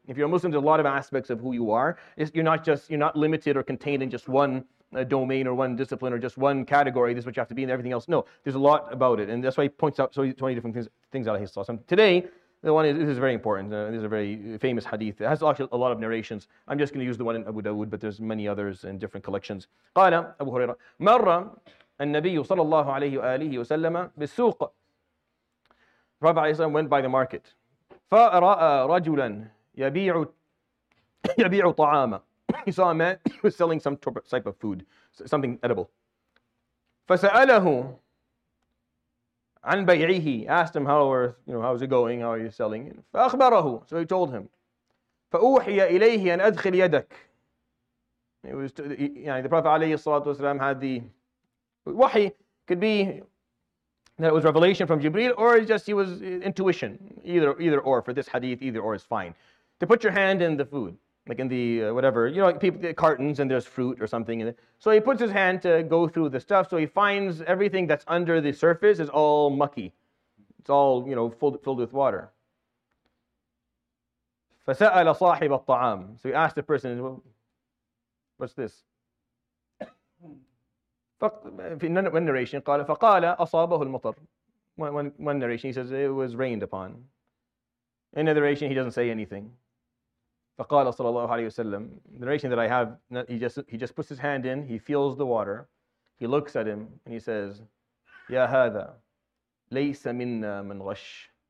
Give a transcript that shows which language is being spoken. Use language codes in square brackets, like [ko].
[en] If you're a Muslim, there's a lot of aspects of who you are. You're not limited or contained in just one domain or one discipline or just one category. This is what you have to be and everything else. No, there's a lot about it. And that's why he points out so many different things out of his thoughts. Today, the one is, this is very important. This is a very famous hadith. It has actually a lot of narrations. I'm just going to use the one in Abu Dawood, but there's many others in different collections. [ar] قال أبو هريرة مر النبي صلى الله عليه وآله وسلم بالسوق. [en] Prophet [ar] عليه الصلاة والسلام [en] went by the market. [ar] فرأى رجلا يبيع طعاما. [en] He saw a man who was selling some type of food, something edible. [ar] فَسَأَلَهُ عَنْ بَيْعِهِ. [en] Asked him, how is it going? How are you selling? [ar] فَأَخْبَرَهُ. [en] So he told him. [ar] فَأُوحِيَ إِلَيْهِ أَنْ أَدْخِلْ يَدَكَ. [en] The Prophet [ar] عليه الصلاة والسلام [en] had the wahi. Could be that it was revelation from Jibreel, or just he was intuition. Either or for this hadith, either or is fine. To put your hand in the food. Like in the whatever, people, the cartons, and there's fruit or something. So he puts his hand to go through the stuff. So he finds everything that's under the surface is all mucky. It's all, filled with water. [ar] فَسَأَلَ صَاحِبَ الطَّعَامِ. [en] So he asked the person, well, what's this? One narration, [ar] فَقَالَ أَصَابَهُ الْمُطَرُ. [en] One narration, he says, it was rained upon. In another narration, he doesn't say anything. [ar] فقال صلى الله عليه وسلم, [en] the narration that I have, he just puts his hand in, he feels the water, he looks at him, and he says, [ar] يَا هَذَا لَيْسَ مِنَّا مَنْ غَشْ.